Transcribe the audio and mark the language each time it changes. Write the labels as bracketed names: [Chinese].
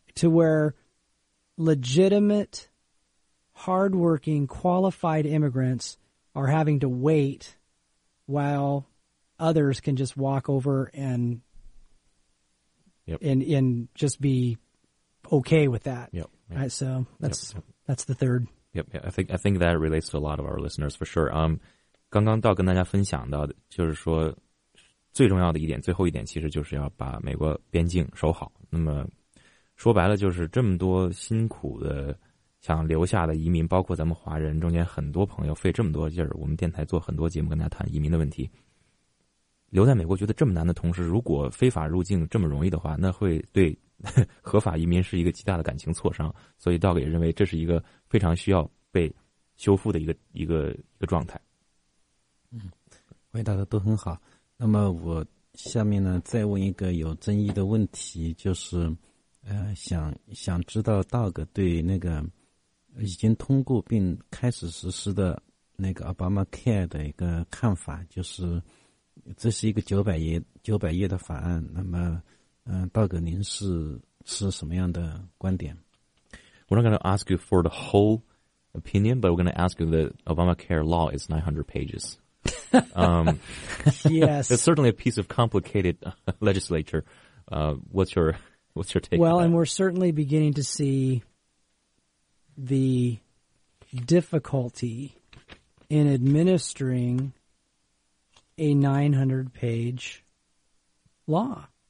[English] to where legitimate, hardworking, qualified immigrants are having to wait while others can just walk over and yep. And just be okay with that. Yep. Right, so that's that's the third. Yep. Yeah, I think that relates to a lot of our listeners for sure. [Chinese] 刚刚到跟大家分享到的就是说最重要的一点最后一点其实就是要把美国边境守好。那么说白了就是这么多辛苦的想留下的移民包括咱们华人中间很多朋友费这么多劲儿我们电台做很多节目跟大家谈移民的问题。留在美国觉得这么难的同时如果非法入境这么容易的话那会对合法移民是一个极大的感情挫伤。所以道格也认为这是一个非常需要被修复的一个状态。嗯，回答的都很好。那么我下面呢再问一个有争议的问题，就是想知道道格对那个已经通过并开始实施的那个 Obamacare 的一个看法，就是这是一个900页的法案。那么道格您是什么样的观点？ [English] We're not going to ask you for the whole opinion, but we're going to ask you that Obamacare law is 900 pages. yes. It's certainly a piece of complicated legislature. What's your take? Well, and we're certainly beginning to see the difficulty in administering a 900-page law.